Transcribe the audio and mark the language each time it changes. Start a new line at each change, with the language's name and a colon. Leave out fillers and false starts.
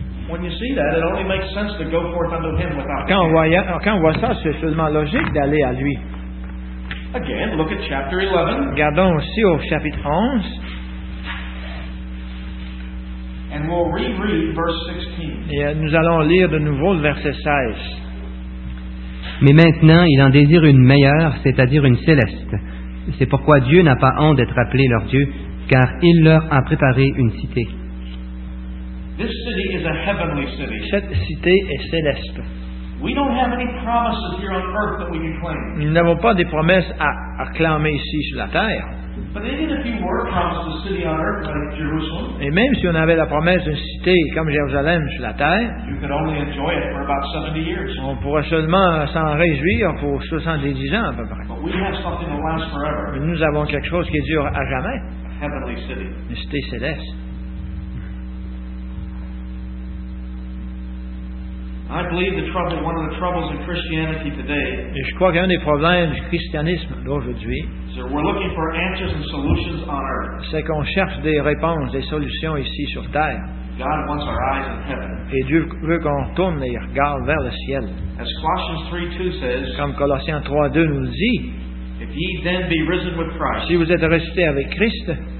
English: When you see that, it only makes sense to go forth unto Him without.
French: Quand on voit ça, c'est seulement logique d'aller à lui.
English: Again, look at chapter 11.
French: Regardons aussi au chapitre 11.
English: And we'll reread verse 16.
French: Et nous allons lire de nouveau le verset 16. Mais maintenant, il en désire une meilleure, c'est-à-dire une céleste. C'est pourquoi Dieu n'a pas honte d'être appelé leur Dieu, car il leur a préparé une cité.
English: This city is a heavenly city.
French: Cette cité est céleste.
English: We don't have any promises here on earth that we can claim.
French: Nous n'avons pas des promesses à acclamer ici sur la terre.
English: But even if you were promised a city on earth like Jerusalem,
French: et même si on avait la promesse d'une cité comme Jérusalem sur la terre,
English: you could only enjoy it for about 70 years.
French: On pourrait seulement s'en réjouir pour 70 ans à peu près.
English: But we have something that lasts forever.
French: Mais nous avons quelque chose qui dure à jamais.
English: A heavenly city.
French: Une cité céleste.
English: I believe one of the troubles in Christianity today.
French: Et je crois qu'un des problèmes du christianisme d'aujourd'hui.
English: So we're looking for answers and solutions on earth.
French: C'est qu'on cherche des réponses, des solutions ici sur terre.
English: God wants our eyes in heaven.
French: Et Dieu veut qu'on tourne les regards vers le ciel.
English: As Colossians 3:2 says.
French: Comme Colossiens 3:2 nous le dit.
English: If ye then be risen with Christ.
French: Si vous êtes ressuscité avec Christ.